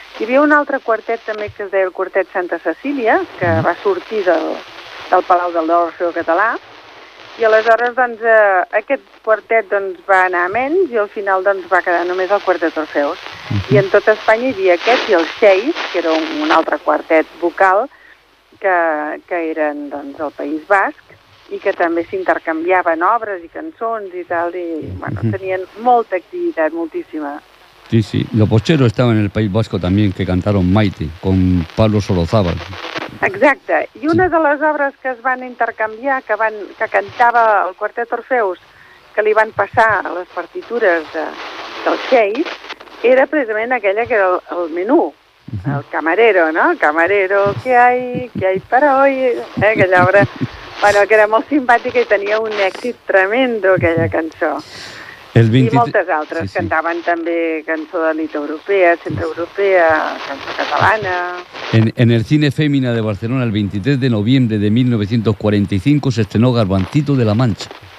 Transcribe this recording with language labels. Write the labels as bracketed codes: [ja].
[ca] Hi havia un altre quartet, també, que es deia el quartet Santa Cecília, que va sortir del Palau del Orfeo Català, i aleshores doncs, aquest quartet doncs, va anar a menys i al final doncs, va quedar només el quartet Orfeus. I en tota Espanya hi havia aquest i el Xeix, que era un altre quartet vocal, que eren doncs, el País Basc, i que també s'intercanviaven obres i cançons i tal, i bueno, tenien molta activitat, moltíssima. Sí, sí. [es] Los Bocheros estaban en el País Vasco también, que cantaron Maite, con Pablo Sorozábal. [ca] Exacte. I una de les obres que es van intercanviar, que cantava el quartet Orfeus, que li van passar a les partitures del Xeix, era precisament aquella que era el menú, el camarero, no? [es] Camarero, ¿qué hay para hoy? [ca] Aquella obra, bueno, que era molt simpàtica i tenia un èxit tremendo, aquella cançó. I moltes altres, sí, sí. Cantaven també cançó de nit europea, centre europea, cançó catalana... [es] En el cine Fémina de Barcelona, el 23 de novembre de 1945, se estrenó Garbancito de la Mancha.